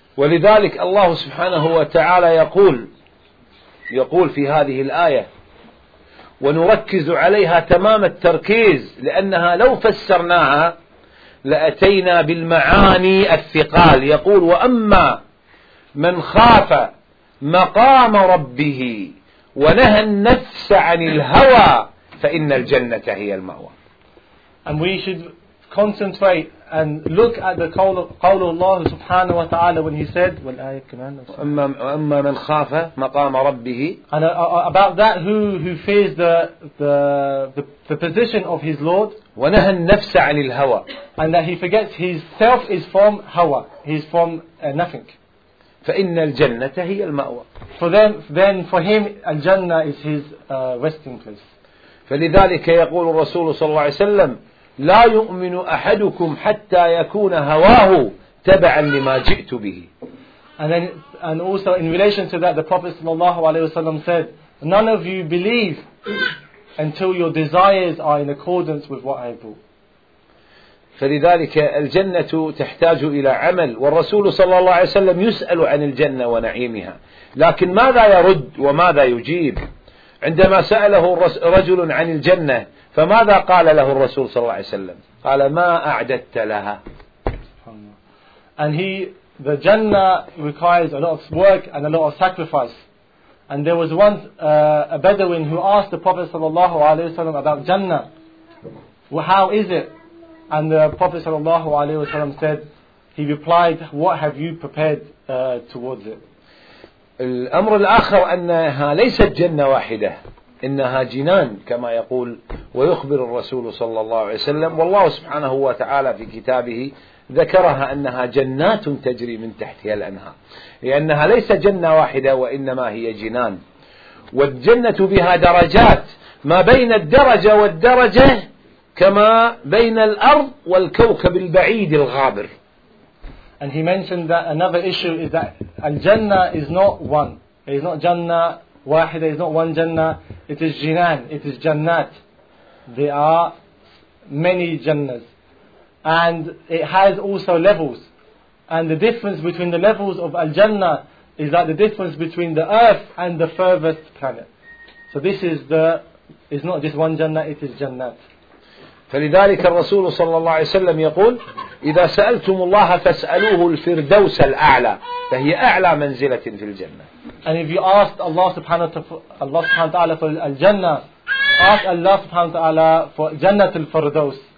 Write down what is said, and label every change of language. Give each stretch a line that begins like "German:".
Arabic: ولذلك الله سبحانه وتعالى يقول في هذه الآية، ونركز عليها تمام التركيز، لأنها لو فسرناها لأتينا بالمعاني الثقال. يقول وأما من خاف مقام ربه ونهى النفس عن الهوى فإن الجنة هي المأوى.
English: And we should concentrate and look at the
Arabic: قول الله سبحانه وتعالى
English: when he said
Arabic: والآية كمان وأما من خاف مقام ربه.
English: And about that who fears the position of his Lord.
Arabic: ونهى النفس عن الهوى.
English: And that he forgets his self is from هوى. He's from nothing.
Arabic: فإن الجنة هي المأوى.
English: For him الجنة is his resting place.
Arabic: فلذلك يقول الرسول صلى الله عليه وسلم لا يؤمن أحدكم حتى يكون هواه تبعا لما جئت به.
English: And also in relation to that, the Prophet sallallahu alaihi wasallam said, none of you believe until your desires are in accordance with what I do.
Arabic: فلذلك الجنة تحتاج إلى عمل، والرسول صلى الله عليه وسلم يسأل عن الجنة ونعيمها، لكن ماذا يرد وماذا يجيب؟ عندما سأله رجل عن الجنة فماذا قال له الرسول صلى الله عليه وسلم؟ قال ما أعددت لها.
English: And the Jannah requires a lot of work and a lot of sacrifice. And there was once a Bedouin who asked the Prophet
Arabic: صلى الله عليه وسلم
English: about Jannah. Well, how is it? And the Prophet
Arabic: صلى الله عليه وسلم
English: said, he replied, what have you prepared towards it?
Arabic: الأمر الآخر أنها ليست جنة واحدة، إنها جنان كما يقول ويخبر الرسول صلى الله عليه وسلم، والله سبحانه وتعالى في كتابه ذكرها أنها جنات تجري من تحتها الأنهار، لأنها ليس جنة واحدة وإنما هي جنان. والجنة بها درجات، ما بين الدرجة والدرجة كما بين الأرض والكوكب البعيد الغابر.
English: And he mentioned that another issue is that al-jannah is not one. It is not jannah wahida. It is not one jannah. It is jinan. It is jannat. There are many jannas, and it has also levels. And the difference between the levels of al-jannah is like the difference between the earth and the furthest planet. So this is it's not just one jannah. It is jannat.
Arabic: فلذلك الرسول صلى الله عليه وسلم يقول إذا سألتم الله فاسألوه الفردوس الأعلى، فهي أعلى منزلة في الجنة.
English: And if you asked Allah subhanahu wa ta'ala for al-jannah, ask Allah subhanahu wa ta'ala for jannah al-firdaus.